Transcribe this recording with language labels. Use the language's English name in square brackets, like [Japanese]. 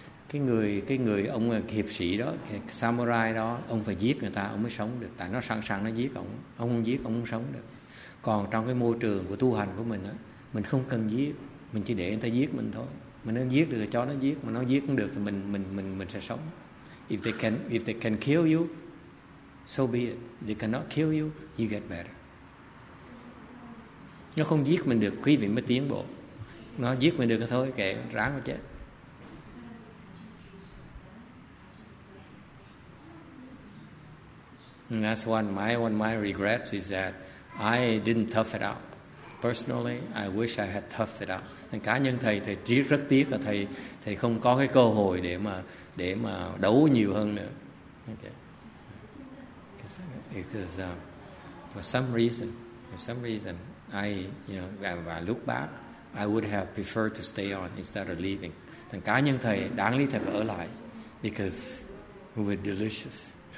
[Vietnamese] Cái người ông hiệp sĩ đó, samurai đó, ông phải giết người ta ông mới sống được. Tại nó sẵn sàng nó giết ông. Ông không giết ông không sống được. Còn trong cái môi trường của tu hành của mình á, mình không cần giết. Mình chỉ để người ta giết mình thôi. Mình nó giết được thì cho nó giết. Mà nó giết cũng được thì mình sẽ sống. [English] If they can kill you, so be it. They cannot kill you, you get better. [Vietnamese] Nó không giết mình được, quý vị mới tiến bộ. Nó giết mình được thôi, kệ, ráng mà chết. [English] And that's one of my regrets is that I didn't tough it out. Personally, I wish I had toughed it out. [Vietnamese] Nên cá nhân thầy rất tiếc là thầy không có cái cơ hội để mà đấu nhiều hơn nữa. [English] Okay. Because for some reason, I would have preferred to stay on instead of leaving. [Vietnamese] Thành cá nhân thầy đáng lý thầy phải ở lại, [English] because we were delicious.